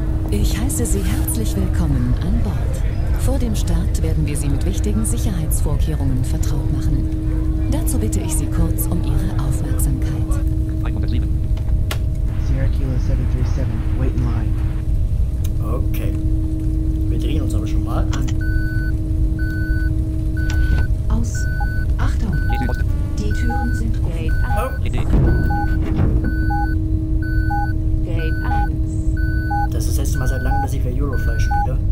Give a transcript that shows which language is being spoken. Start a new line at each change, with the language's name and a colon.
German: Ich heiße Sie herzlich willkommen an Bord. Vor dem Start werden wir Sie mit wichtigen Sicherheitsvorkehrungen vertraut machen. Dazu bitte ich Sie kurz um Ihre Aufmerksamkeit. 107.
English: Sierra Kilo 737, wait in line. Okay.
German: Wir drehen uns aber schon mal an. Aus. Achtung. Die Türen sind Gate 1. Gate 1. Das ist das erste Mal seit langem, dass ich für Eurofly spiele.